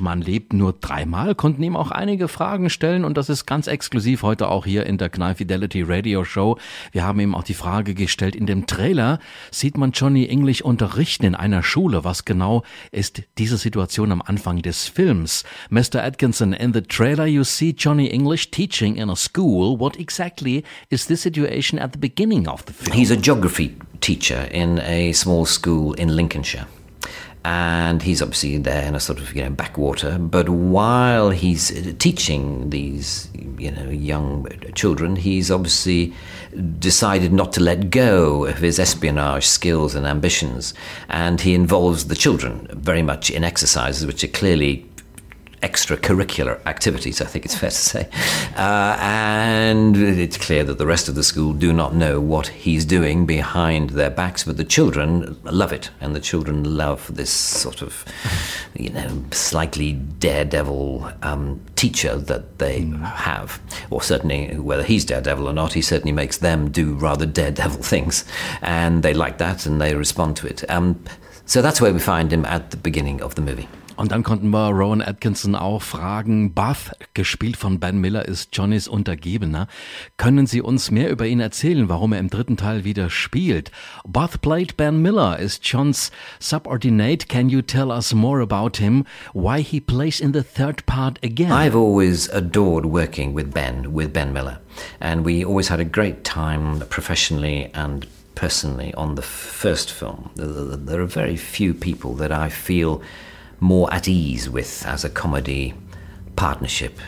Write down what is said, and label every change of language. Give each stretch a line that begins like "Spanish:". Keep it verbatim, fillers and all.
German: Man lebt nur dreimal, konnten ihm auch einige Fragen stellen und das ist ganz exklusiv heute auch hier in der Kneifidelity Radio Show. Wir haben ihm auch die Frage gestellt, in dem Trailer sieht man Johnny English unterrichten in einer Schule, was genau Now ist diese Situation am Anfang des Films.
English: Mister Atkinson, in the trailer you see Johnny English teaching in a school. What exactly is this situation at the beginning of the film? He's a geography teacher in a small school in Lincolnshire. And he's obviously there in a sort of, you know, backwater. But while he's teaching these, you know, young children, he's obviously decided not to let go of his espionage skills and ambitions. And he involves the children very much in exercises which are clearly extracurricular activities, I think it's fair to say. Uh, and it's clear that the rest of the school do not know what he's doing behind their backs, but the children love it, and the children love this sort of, you know, slightly daredevil um, teacher that they mm. have. Or certainly, whether he's daredevil or not, he certainly makes them do rather daredevil things, and they like that and they respond to it. Um, so that's where we find him at the beginning of the movie.
German: Und dann konnten wir Rowan Atkinson auch fragen, Buff, gespielt von Ben Miller, ist Johnnys Untergebener. Können Sie uns mehr über ihn erzählen, warum er im dritten Teil wieder spielt?
English: Buff played Ben Miller, is Johns subordinate. Can you tell us more about him? Why he plays in the third part again? I've always adored working with Ben, with Ben Miller. And we always had a great time professionally and personally on the first film. There are very few people that I feel more at ease with as a comedy partnership.